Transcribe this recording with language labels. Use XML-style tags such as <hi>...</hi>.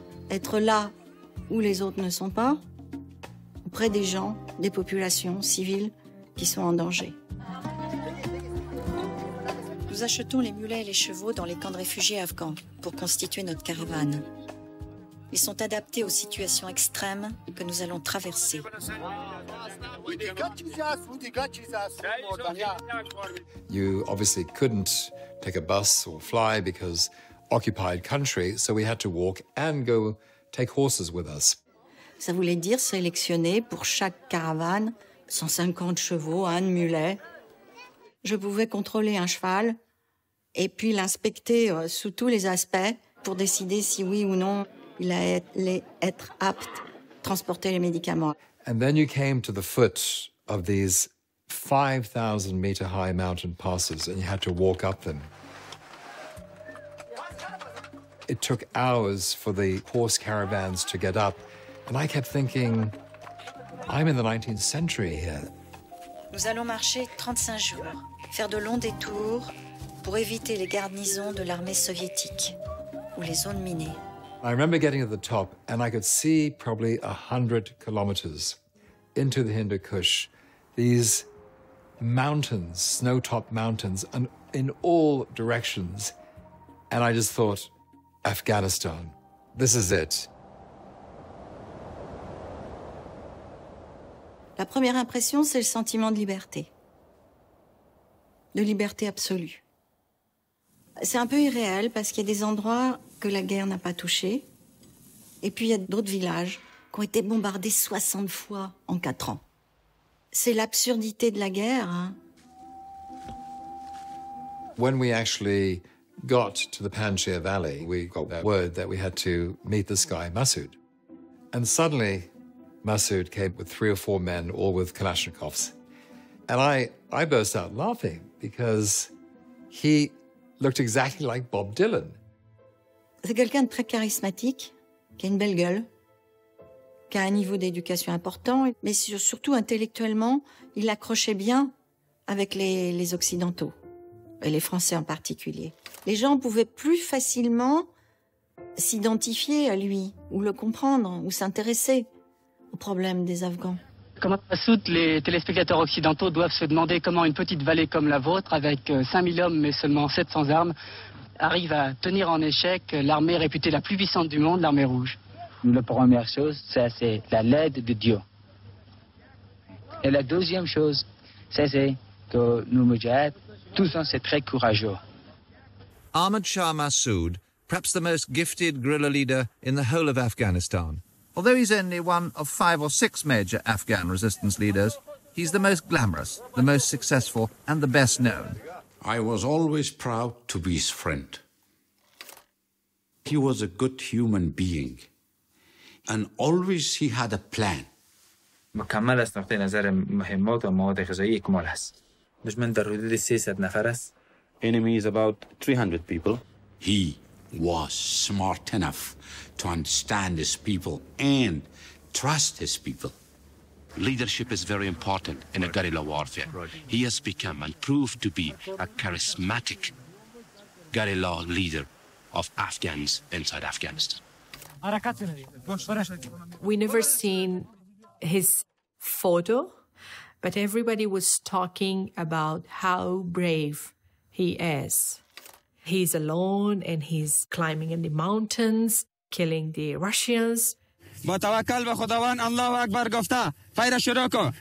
<fr>Être là où les autres ne sont pas, auprès des gens, des populations civiles qui sont en danger. Nous achetons les mulets et les chevaux dans les camps de réfugiés afghans pour constituer notre caravane. Ils sont adaptés aux situations extrêmes que nous allons traverser.</fr> <en>You obviously couldn't take a bus or fly because occupied country, so we had to walk and go take horses with us.</en> <fr>Ça voulait dire sélectionner pour chaque caravane 150 chevaux, un mulet. Je pouvais contrôler un cheval et puis l'inspecter sous tous les aspects pour décider si oui ou non il allait être apte à transporter les médicaments.</fr> <en>And then you came to the foot of these 5,000 meter high mountain passes and you had to walk up them. It took hours for the horse caravans to get up and I kept thinking, I'm in the 19th century here.</en> <fr>Nous allons marcher 35 jours faire de longs détours pour éviter les garnisons de l'armée soviétique ou les zones minées.</fr> <en>I remember getting to the top and I could see probably 100 kilometers into the Hindu Kush. These mountains, snow-topped mountains, and in all directions. And I just thought, Afghanistan, this is it.</en> <fr>La première impression, c'est le sentiment de liberté. De liberté absolue. C'est un peu irréel parce qu'il y a des endroits que la guerre n'a pas touchés. Et puis il y a d'autres villages qui ont été bombardés 60 fois en 4 ans. C'est l'absurdité de la guerre.</fr> <en>When we actually got to the Panjshir Valley, we got word that we had to meet this guy, Massoud. And suddenly, Massoud came with 3 or 4 men, all with Kalashnikovs. And I burst out laughing because he looked exactly like Bob Dylan.</en> <fr>C'est quelqu'un de très charismatique, qui a une belle gueule, qui a un niveau d'éducation important, mais surtout intellectuellement, il accrochait bien avec les Occidentaux, et les Français en particulier. Les gens pouvaient plus facilement s'identifier à lui, ou le comprendre, ou s'intéresser aux problèmes des Afghans. Comme à Soud, les téléspectateurs occidentaux doivent se demander comment une petite vallée comme la vôtre, avec 5000 hommes mais seulement 700 armes, arrive à tenir en échec l'armée réputée la plus puissante du monde, l'armée rouge. La première chose, c'est la l'aide de Dieu. Et la deuxième chose, c'est que nous, Mujahid, tous on est très courageux.</fr> <en>Ahmad Shah Massoud, perhaps the most gifted guerrilla leader in the whole of Afghanistan. Although he's only one of 5 or 6 major Afghan resistance leaders, he's the most glamorous, the most successful, and the best known. I was always proud to be his friend. He was a good human being, and always he had a plan.</en> <fa>مکمل است نقطه نظر مهمات و مواد غذایی اکمال است. دشمن در حدود 300 نفر است.</fa> <en>Enemy is about 300 people. He was smart enough to understand his people and trust his people. Leadership is very important in a guerrilla warfare. He has become and proved to be a charismatic guerrilla leader of Afghans inside Afghanistan. We never seen his photo, but everybody was talking about how brave he is. He's alone and he's climbing in the mountains, killing the Russians.</en> <fa>متوکل به خداوند الله اکبر گفته فیر شروع کن</fa>